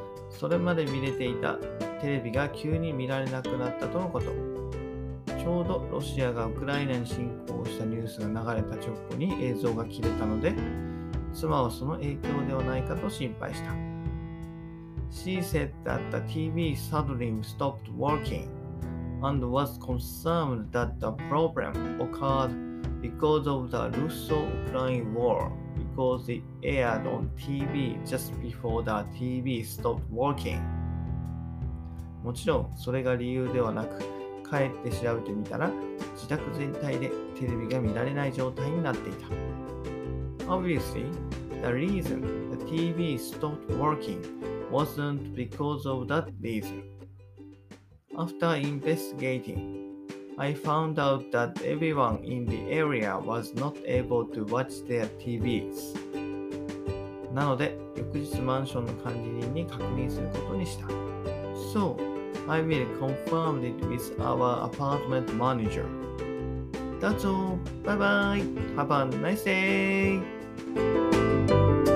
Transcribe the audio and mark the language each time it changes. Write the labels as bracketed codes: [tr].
[ja] それまで見れていたテレビが急に見られなくなったとのこと。ちょうどロシアがウクライナに侵攻したニュースが流れた直後に映像が切れたので、妻はその影響ではないかと心配した。 [en] She said that the TV suddenly stopped working and was concerned that the problem occurred because of the Russo-Ukraine war because it aired on TV just before the TV stopped working. [ja] もちろんそれが理由ではなく、帰って調べてみたら、自宅全体でテレビが見られない状態になっていた。 [en] Obviously, the reason the TV stopped working wasn't because of that reason. After investigating, I found out that everyone in the area was not able to watch their TVs. [ja] なので、翌日マンションの管理人に確認することにした。 [en] So,I will confirm it with our apartment manager. That's all. Bye bye. Have a nice day.